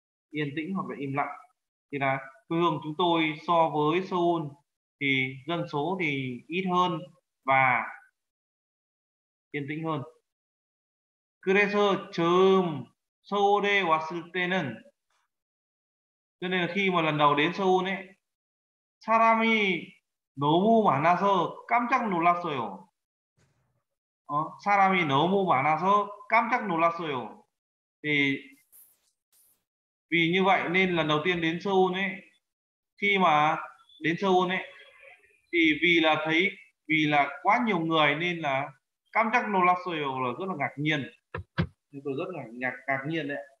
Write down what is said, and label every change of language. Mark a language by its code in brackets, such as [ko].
[vi] Yên tĩnh hoặc là im lặng. Thì là quê hương chúng tôi so với Seoul thì dân số thì ít hơn và yên tĩnh hơn. [ko] 그래서 처음 서울에 왔을 때는 [vi] cho nên là khi mà lần đầu đến Seoul ấy [ko] 사람이 너무 많아서 깜짝 놀랐어요. 어, 사람이 너무 많아서 깜짝 놀랐어요. [vi] Thì vì như vậy nên lần đầu tiên đến Seoul ấy, khi mà đến Seoul ấy thì vì là thấy vì là quá nhiều người nên là cảm giác nó lắc xoay là rất là ngạc nhiên. Tôi rất là ngạc nhiên đấy.